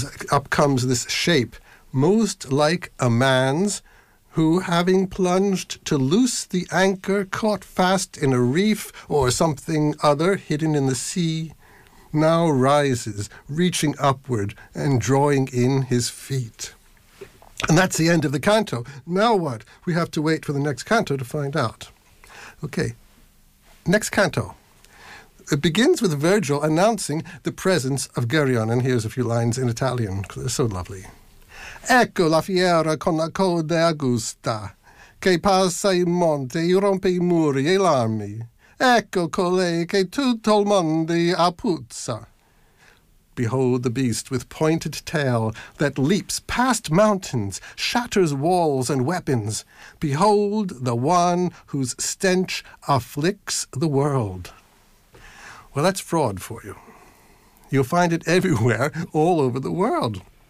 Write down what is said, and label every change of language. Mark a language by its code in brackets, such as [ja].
[en] Up comes this shape, most like a man's, who, having plunged to loose the anchor caught fast in a reef or something other hidden in the sea, now rises, reaching upward and drawing in his feet. And that's the end of the canto. Now what? We have to wait for the next canto to find out. Okay, next canto. It begins with Virgil announcing the presence of Geryon, and here's a few lines in Italian, because they're so lovely. [it] Ecco la fiera con la coda augusta che passa il monte e rompe i muri e l'armi. Ecco colei che tutto il mondo appuzza. [en] Behold the beast with pointed tail that leaps past mountains, shatters walls and weapons. Behold the one whose stench afflicts the world. Well, that's fraud for you. You'll find it everywhere, all over the world.